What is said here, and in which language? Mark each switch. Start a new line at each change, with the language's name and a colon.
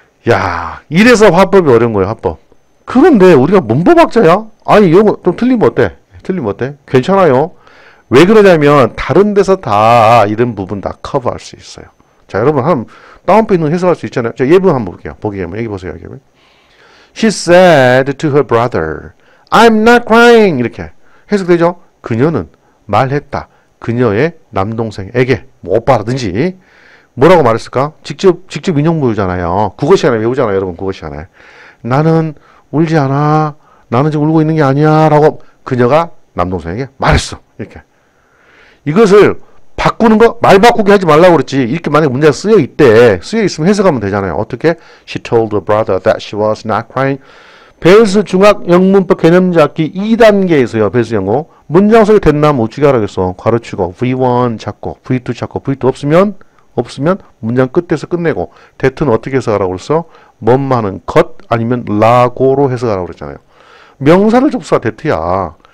Korean: 야, 이래서 화법이 어려운 거예요, 화법. 그런데 우리가 문법학자야? 아니, 이거 좀 틀리면 어때? 틀리면 어때? 괜찮아요. 왜 그러냐면, 다른 데서 다, 이런 부분 다 커버할 수 있어요. 자, 여러분, 한, 다운표 있는 해석할 수 있잖아요. 자, 예문 한번 볼게요. 보기 예문. 여기 보세요, 여기.
English: She said to her brother, I'm not crying.
Korean: 이렇게. 해석되죠? 그녀는 말했다. 그녀의 남동생에게, 뭐 오빠라든지, 뭐라고 말했을까? 직접 인용문이잖아요. 국어 시간에 배우잖아요, 여러분. 국어 시간에. 나는 울지 않아. 나는 지금 울고 있는 게 아니야. 라고 그녀가 남동생에게 말했어. 이렇게. 이것을 바꾸는 거, 말 바꾸기 하지 말라고 그랬지. 이렇게 만약에 문제가 쓰여 있대. 쓰여 있으면 해석하면 되잖아요. 어떻게?
English: She told her brother that she was not crying.
Korean: 벨스 중학 영문법 개념잡기 2단계에서요. 벨스 영어. 문장 속에 됐나 우쭈기 하라겠어. 괄호치고 V1 찾고 V2 찾고 V2 없으면 문장 끝에서 끝내고 that은 어떻게 해석하라고 그랬어? 뭐만은 것 아니면 라고로 해석하라고 그랬잖아요. 명사를 접수한 that야.